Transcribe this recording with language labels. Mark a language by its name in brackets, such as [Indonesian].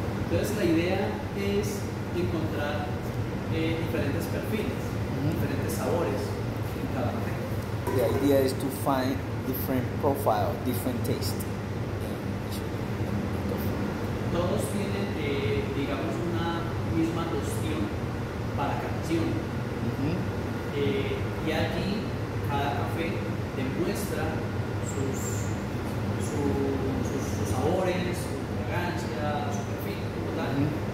[Spanish] Entonces la idea es encontrar diferentes perfiles, diferentes sabores en cada café. [English] The idea is to find different profile, different taste. [Spanish] Todos tienen, digamos, una misma noción para canción. Y aquí cada café demuestra sus sabores, su fragancia, su perfil.